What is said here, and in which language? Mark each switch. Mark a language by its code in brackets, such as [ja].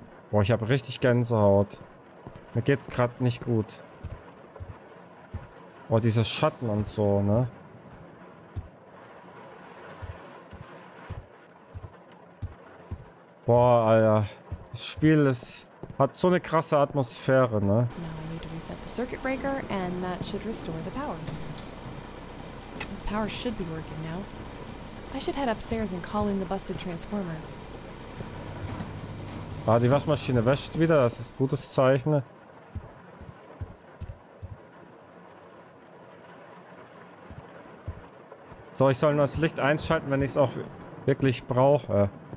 [de] Boah, ich habe richtig Gänsehaut. Mir geht's gerade nicht gut. Boah, diese Schatten und so, ne? Boah, Alter. Das Spiel ist, hat so eine krasse Atmosphäre, ne? [en] Now I need to reset the circuit breaker and that should restore the power. The power should be working now. I should head upstairs and call in the busted transformer. [de] Ah, die Waschmaschine wäscht wieder, das ist ein gutes Zeichen. So, ich soll nur das Licht einschalten, wenn ich es auch wirklich brauche.